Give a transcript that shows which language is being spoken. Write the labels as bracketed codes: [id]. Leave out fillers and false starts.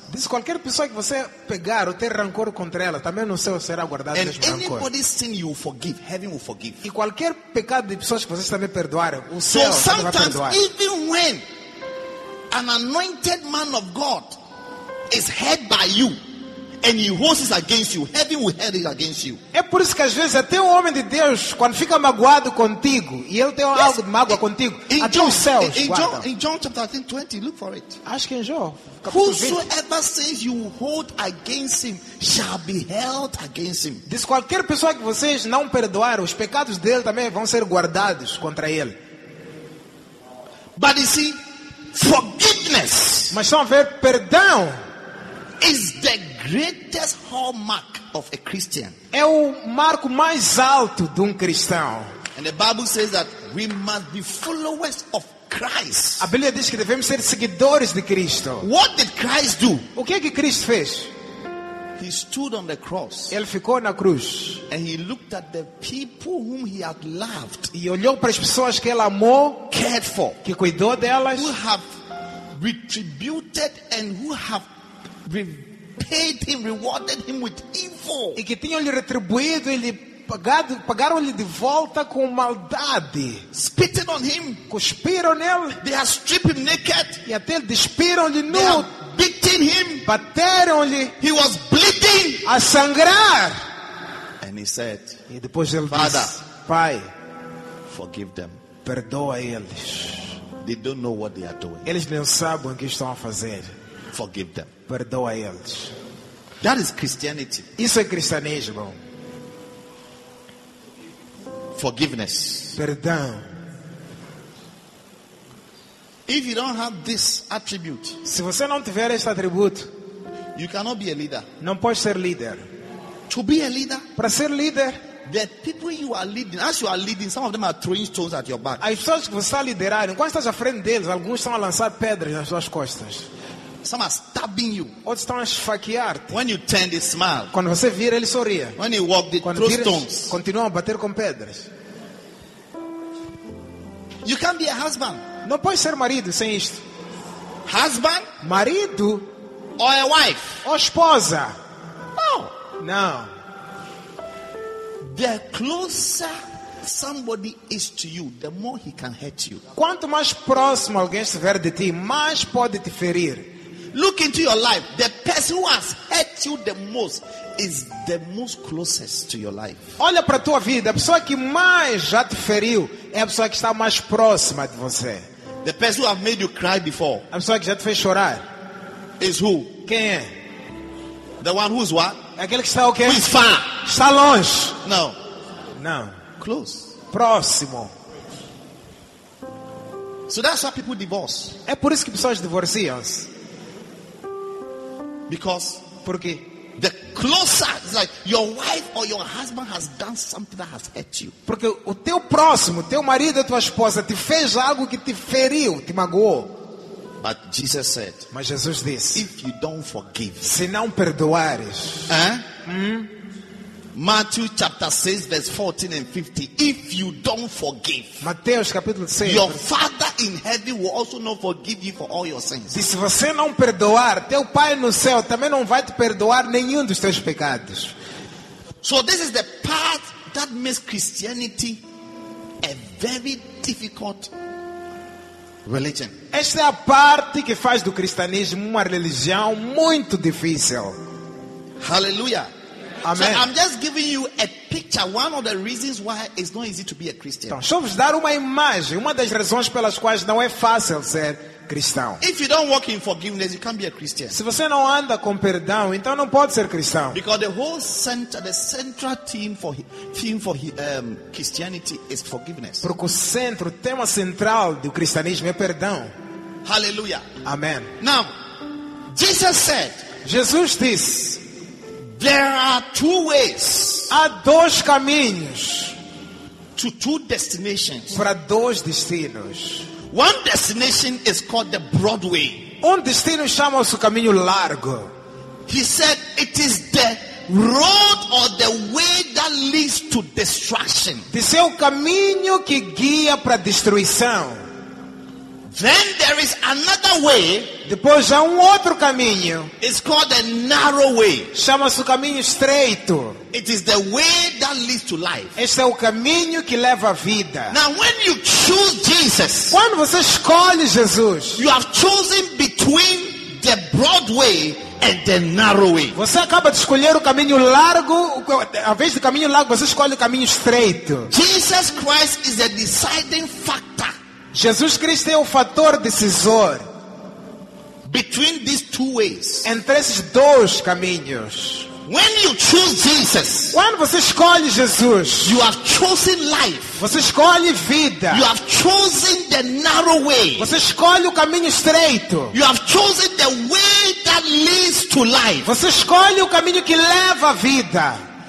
[pt] Diz, qualquer pessoa que você pegar ou ter rancor contra ela, também no céu será guardado esse rancor. [en] And anybody sin you forgive, heaven will forgive. [pt] E qualquer pecado de pessoas que vocês também perdoarem, o céu também vai perdoar. [en] Even when an anointed man of God is held by you and he holds it against you, heaven will hold it against you. [pt] É por isso que às vezes até um homem de Deus, quando fica magoado contigo, e ele tem algo de mágoa contigo, [en] in [pt] até os céus guardam. [en] In John chapter 20, look for it. [pt] Acho que em João. [en] Whosoever says you hold against him shall be held against him. [pt] Diz, qualquer pessoa que vocês não perdoarem, os pecados dele também vão ser guardados contra ele. [en] But you see, forgiveness. [pt] Mas estão a ver, perdão [en] is the greatest hallmark of a Christian. [pt] É o marco mais alto de um cristão. [en] And the Bible says that we must be followers of Christ. [pt] A Bíblia diz que devemos ser seguidores de Cristo. [en] What did Christ do? [pt] O que é que Cristo fez? [en] He stood on the cross. [pt] Ele ficou na cruz. [en] And he looked at the people whom he had loved. [pt] E olhou para as pessoas que ele amou, [en] cared for, [pt] que cuidou delas, [en] who have retributed and who have repaid him, rewarded him with evil. [pt] E que tinham lhe retribuído, ele pagado, pagaram-lhe de volta com maldade. [en] Spitting on him, [pt] cuspiram nele. [en] They have stripped him naked. [pt] E até despiram-lhe nu. [en] They have beaten him, [pt] bateram-lhe. [en] He was bleeding, [pt] a sangrar. [en] And he said, [pt] e depois ele [en] Father, [pt] disse, Pai, [en] forgive them, [pt] perdoa eles. [en] They don't know what they are doing. [pt] Eles não sabem o que estão a fazer. [en] Forgive them. [pt] Perdoa eles. [en] That is Christianity. [pt] Isso é cristianismo. [en] Forgiveness. [pt] Perdão. [en] If you don't have this attribute, [pt] se você não tiver este atributo, [en] you cannot be a leader. [pt] Não pode ser líder. [en] To be a leader, [pt] para ser líder, [en] the people you are leading, as you are leading, some of them are throwing stones at your back. [pt] As pessoas que você está liderando, quando estás à frente deles, alguns estão a lançar pedras nas suas costas. [en] Some are stabbing you. [pt] Outros estão a esfaquear-te. [en] When you turn, they smile. [pt] Quando você vira, ele sorria. [en] When you walk, they [pt] quando [en] throw stones. [pt] Continuam a bater com pedras. [en] You can't be a husband. [pt] Não pode ser marido sem isto. [en] Husband? [pt] Marido? [en] Or a wife? [pt] Ou esposa? Não. Não. [en] The closer somebody is to you, the more he can hurt you. [pt] Quanto mais próximo alguém estiver de ti, mais pode te ferir. [en] Look into your life. The person who has hurt you the most is the most closest to your life. [pt] Olha para tua vida. A pessoa que mais já te feriu é a pessoa que está mais próxima de você. [en] The person who has made you cry before. [pt] A pessoa que já te fez chorar. [en] Is who? [pt] Quem é? [en] The one who's what? [pt] Aquele que está o quê? [en] Who is far? [pt] Está longe. [en] No. No. Close. [pt] Próximo. [en] So that's why people divorce. [pt] É por isso que pessoas divorciam-se. [en] Because [pt] porque [en] the closer, it's like your wife or your husband has done something that has hurt you. [pt] Porque o teu próximo, teu marido, a tua esposa te fez algo que te feriu, te magoou. [en] But Jesus said, [pt] mas Jesus disse, [en] if you don't forgive, [pt] se não perdoares, [en] Matthew chapter 6 verse 14 and 15, if you don't forgive, [pt] Mateus capítulo 6, [en] your Father in heaven will also not forgive you for all your sins. [pt] Se você não perdoar, teu Pai no céu também não vai te perdoar nenhum dos teus pecados. [en] So this is the part that makes Christianity a very difficult religion. [pt] Esta é a parte que faz do cristianismo uma religião muito difícil. [en] Hallelujah. Amen. So I'm just giving you a picture, one of the reasons why it's not easy to be a Christian. [pt] Então, deixa-me dar uma imagem, uma das razões pelas quais não é fácil ser cristão. [en] If you don't walk in forgiveness, you can't be a Christian. [pt] Se você não anda com perdão, então não pode ser cristão. [en] Because the whole center, the central theme for Christianity is forgiveness. [pt] Porque o centro, o tema central do cristianismo é perdão. [en] Hallelujah. Amen. Now, Jesus said, [pt] Jesus disse, [en] there are two ways. [pt] Há dois caminhos. [en] To two destinations. [pt] Para dois destinos. [en] One destination is called the broad way. [pt] Destino chama-se o caminho largo. [en] He said it is the road or the way that leads to destruction. [pt] Esse é o caminho que guia para destruição. [en] Then there is another way. [pt] Depois há outro caminho. [en] It's called a narrow way. [pt] Chama-se o caminho estreito. [en] It is the way that leads to life. [pt] Esse é o caminho que leva à vida. [en] Now when you choose Jesus. [pt] Quando você escolhe Jesus. [en] You have chosen between the broad way and the narrow way. [pt] Você acaba de escolher o caminho largo, ao invés do caminho largo, você escolhe o caminho estreito. [en] Jesus Christ is a deciding factor. [pt] Jesus Cristo é o fator decisor [en] between these two ways. [pt] Entre esses dois caminhos. [en] When you choose Jesus, [pt] quando você escolhe Jesus, [en] you have chosen life. [pt] Você escolhe vida. [en] You have chosen the narrow way. [pt] Você escolhe o caminho estreito. [en] You have chosen the way that leads to life. [pt] Você escolhe o caminho que leva à vida.